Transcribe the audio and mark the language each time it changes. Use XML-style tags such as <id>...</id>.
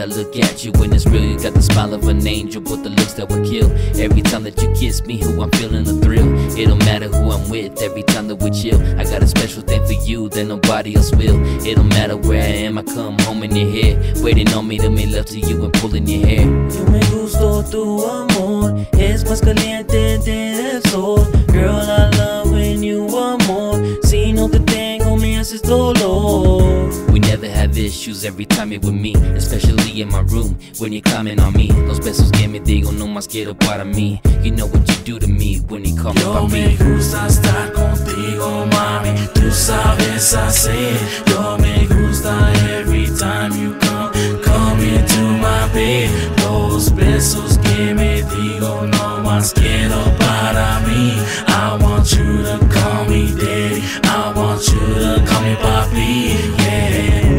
<en>I look at you when it's real. You got the smile of an angel, but the looks that would kill. Every time that you kiss me, who I'm feeling the thrill. It don't matter who I'm with, every time that we chill. I got a special thing for you that nobody else will. It don't matter where I am, I come home and you're here. Waiting on me to make love to you and pulling your hair.</en> <es>Yo me gusto tu amor, es más caliente del sol.</es> <en>Girl, I love when you want more.</en> <es>Si no te tengo, me haces dolor.</es> <en>Issues every time you're with me, especially in my room when you're climbing on me.</en> <es>Los besos que me digo no más quiero para mí.</es> <en>You know what you do to me when you come by me.</en> <es>Yo me gusta estar contigo, mami. Tú sabes hacer. Yo me gusta</es> <en>every time you come. Come into my bed.</en> <es>Los besos que me digo no más quiero para mí.</es> <en>I want you to call me daddy. I want you to call me papi.</en>